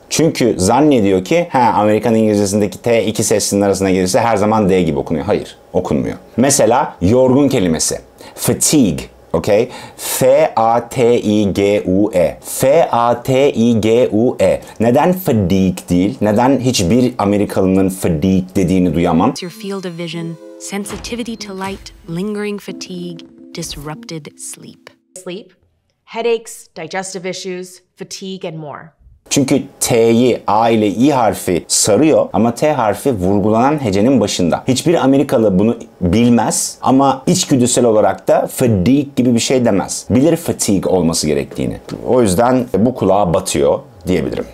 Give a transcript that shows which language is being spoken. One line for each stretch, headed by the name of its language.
Turkish: Çünkü zannediyor ki Amerikan İngilizcesindeki T iki sesinin arasına gelirse her zaman D gibi okunuyor. Hayır, okunmuyor. Mesela yorgun kelimesi. Fatigue. Okay. F-A-T-I-G-U-E. F-A-T-I-G-U-E. Neden fatigue değil? Neden hiçbir Amerikalının fatigue dediğini duyamam?
English: It's your field of vision, sensitivity to light, lingering fatigue, disrupted sleep. Sleep, headaches, digestive issues, fatigue and more.
Turkish: Çünkü T'yi A ile I harfi sarıyor ama T harfi vurgulanan hecenin başında. Hiçbir Amerikalı bunu bilmez ama içgüdüsel olarak da fatigue gibi bir şey demez. Bilir fatigue olması gerektiğini. O yüzden bu kulağa batıyor diyebilirim.